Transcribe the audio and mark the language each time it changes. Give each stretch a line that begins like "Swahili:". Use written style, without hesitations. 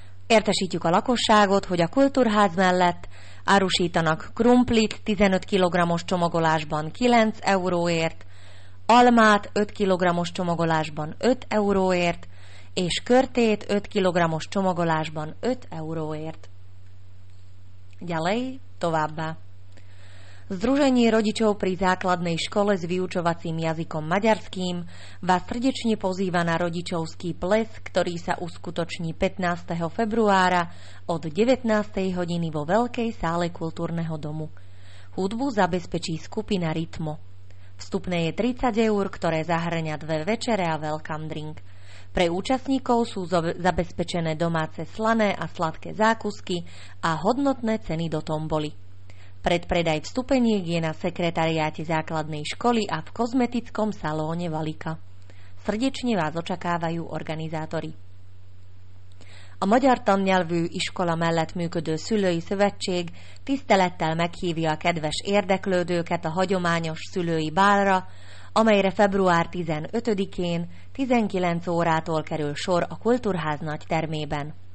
Hungarian: Értesítjük a lakosságot, hogy a kultúrház mellett árusítanak krumplit 15 kg-os csomagolásban 9 euróért, almát 5 kg-os csomagolásban 5 euróért, és körtét 5 kg-os csomagolásban 5 euróért.
Slovak: Ďalej,
Hungarian: továbbá.
Slovak: Združení rodičov pri základnej škole s vyučovacím jazykom maďarským vás srdečne pozýva na rodičovský ples, ktorý sa uskutoční 15. februára od 19. hodiny vo Veľkej sále kultúrneho domu. Hudbu zabezpečí skupina Rytmo. Vstupné je 30 eur, ktoré zahŕňa dve večere a welcome drink. Pre účastníkov sú zabezpečené domáce slané a sladké zákusky a hodnotné ceny do tomboli. Predpredaj vstupeniek je na sekretariáte základnej školy a v kozmetickom salóne Valika. Srdečne vás očakávajú organizátori.
Hungarian: A Magyar Tannyelvű iskola mellett működő szülői szövetség tisztelettel meghívja a kedves érdeklődőket a hagyományos szülői bálra, amelyre február 15-én 19 órától kerül sor a Kultúrház nagy termében.